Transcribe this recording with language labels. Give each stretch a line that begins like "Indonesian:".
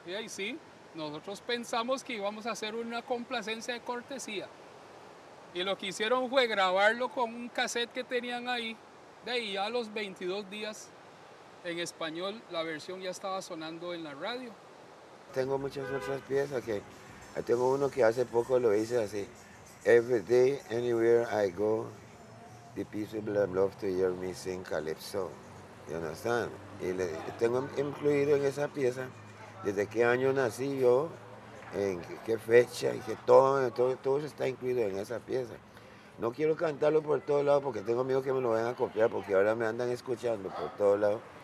Spanish: Y ahí sí, nosotros pensamos que íbamos a hacer una complacencia de cortesía. Y lo que hicieron fue grabarlo con un cassette que tenían ahí. De ahí a los 22 días, en español, la versión ya estaba sonando en la radio. Tengo muchas otras piezas que... Tengo uno que hace poco lo hice así.
English: Every day, anywhere I go, the people I love to hear me sing calypso.
Spanish: ¿Ya no están? Y le tengo incluido en esa pieza desde qué año nací yo, en qué fecha, y que todo eso está incluido en esa pieza. No quiero cantarlo por todos lados porque tengo miedo que me lo vayan a copiar, porque ahora me andan escuchando por todos lados.